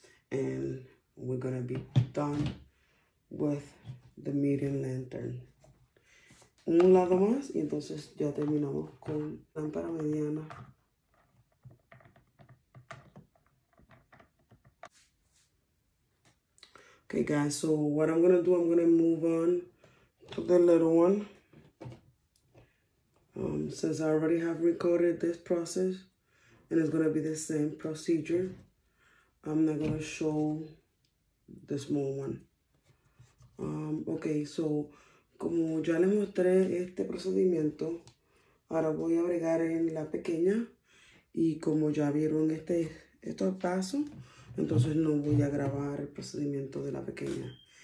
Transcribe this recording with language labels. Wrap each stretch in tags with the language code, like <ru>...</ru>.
<en>And we're going to be done with the medium lantern.</en> <es>Un lado más y entonces ya terminamos con lámpara mediana.</es> <en>Okay, guys, so what I'm going to do, I'm going to move on. To the little one, since I already have recorded this process and it's gonna be the same procedure, I'm not gonna show the small one. Okay, so</en> <es>como ya les mostré este procedimiento, ahora voy a agregar en la pequeña y como ya vieron estos pasos, entonces no voy a grabar el procedimiento de la pequeña.</es>